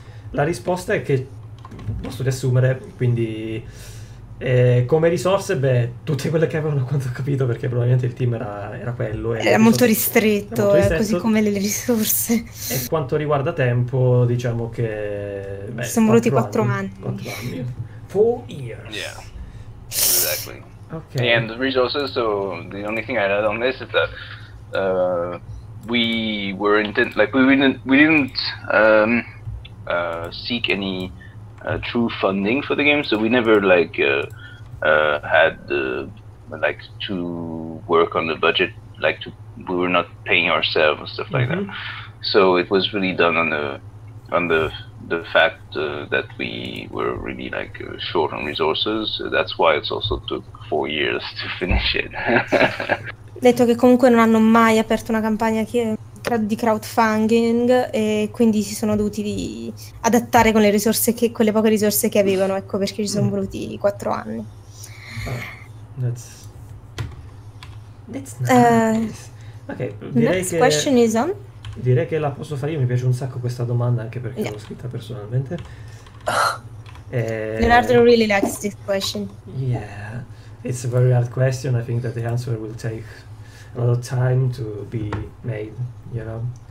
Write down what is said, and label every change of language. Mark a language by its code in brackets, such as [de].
[it] La risposta è che posso riassumere, quindi come risorse, beh, tutte quelle che avevano, quanto ho capito, perché probabilmente il team era quello. Era molto ristretto, così come le risorse. E quanto riguarda tempo, diciamo che... Sono voluti quattro anni. 4 anni. [en] 4 years. Yeah, exactly. Okay. And the resources, so the only thing I had on this is that we didn't seek any true funding for the game, so we never had to work on the budget, like we were not paying ourselves and stuff like that. So it was really done on the fact that we were really short on resources. So that's why it also took 4 years to finish it. [it] Detto che comunque non hanno mai aperto una campagna di crowdfunding, e quindi si sono dovuti adattare con le risorse con le poche risorse che avevano, ecco perché ci sono voluti 4 anni. [en] That's nice. [it] Okay, direi che la posso fare io, mi piace un sacco questa domanda, anche perché l'ho scritta personalmente. [en] Leonardo really likes this question. Yeah, it's a very hard question. I think that the answer will take a lot of time to be made, you know.